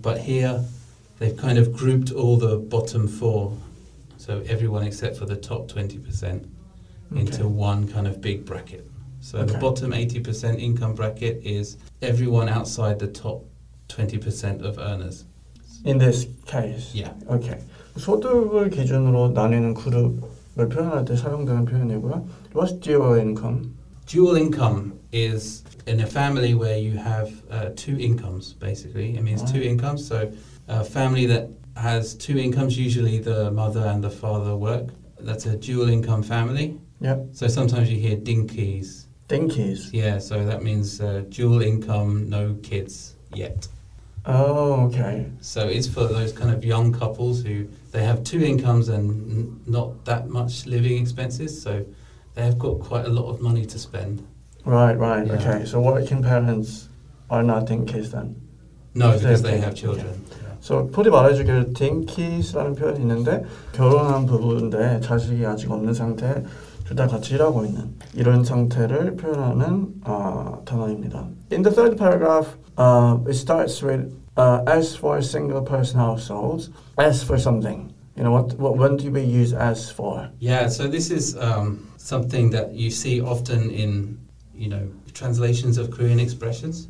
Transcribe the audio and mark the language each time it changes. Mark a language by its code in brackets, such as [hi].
[en] But here, they've kind of grouped all the bottom four, so everyone except for the top 20%, into one kind of big bracket. So the bottom 80% income bracket is everyone outside the top 20% of earners. In this case? Yeah. Okay. [ko] 소득을 기준으로 나뉘는 그룹을 표현할 때 사용되는 표현이고요. [en] What's dual income? Dual income is in a family where you have two incomes, basically. It means two incomes. So a family that has two incomes, usually the mother and the father work. That's a dual income family. Yeah. So sometimes you hear dinkies. Dinkies? Yeah, so that means dual income, no kids yet. Oh, okay. So it's for those kind of young couples who they have two incomes and not that much living expenses, so they've got quite a lot of money to spend. Right, right. Yeah. Okay, so working parents are not dinkies then? No, because they have children. Okay. [ko] So, 푸디 말해주길, dinkies라는 표현이 있는데 결혼한 부부인데 자식이 아직 없는 상태, 둘 다 같이 일하고 있는 이런 상태를 표현하는 단어입니다. [en] In the third paragraph, it starts with S for single person households, S for something. You know, when do we use S for? Yeah, so this is something that you see often in, you know, translations of Korean expressions.